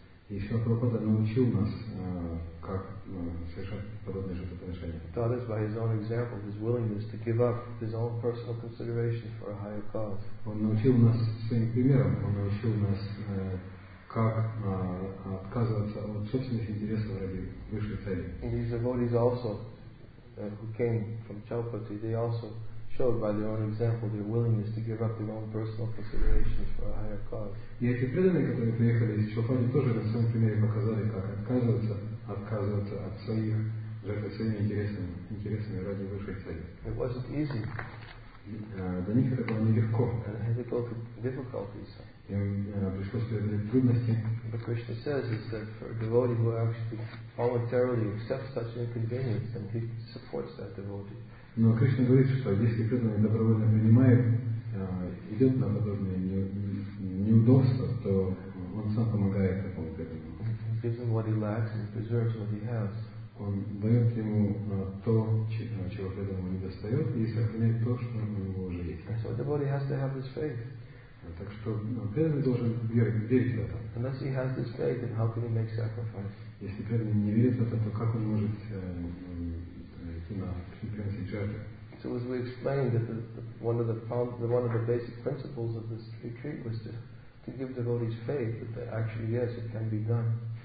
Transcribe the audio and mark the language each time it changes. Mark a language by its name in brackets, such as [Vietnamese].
[Russian] И Srila Prabhupada научил нас, как совершать подобное же отношение. [English] Taught us by his own example, his willingness to give up his own personal considerations for a higher cause. [Russian] Он научил нас своим примером. Он научил нас, как отказываться от собственных интересов ради высшей цели. [English] These devotees also who came from Chaupati, they also showed by their own example their willingness to give up their own personal considerations for a higher cause. [Russian] И эти преданные, которые приехали из Чаупати, тоже на своем примере показали, как отказываться от своих жертв своими интересами ради высшей цели. [English] It wasn't easy. [Russian] Для них это было нелегко. [English] And they had to go through difficulties. But Krishna says is that for a devotee who actually voluntarily accepts such inconvenience, then he supports that devotee. [Russian] Но Кришна говорит, что если преданный добровольно принимает, идет на подобные неудобства, то он сам помогает такому преданному. [English] Gives him what he lacks and preserves what he has. [Russian] Он дает ему то, чего преданному не достает, и сохраняет то, что у него уже есть. [English] So a devotee has to have his faith. [Russian] Так что преданный должен верить в это. [English] Unless he has this faith, then how can he make sacrifice? [Russian] Если преданный не верит в это, то как он может идти на принципе жертвы? [English] So as we explained, that one of the basic principles of this retreat was to give devotees faith that actually yes, it can be done.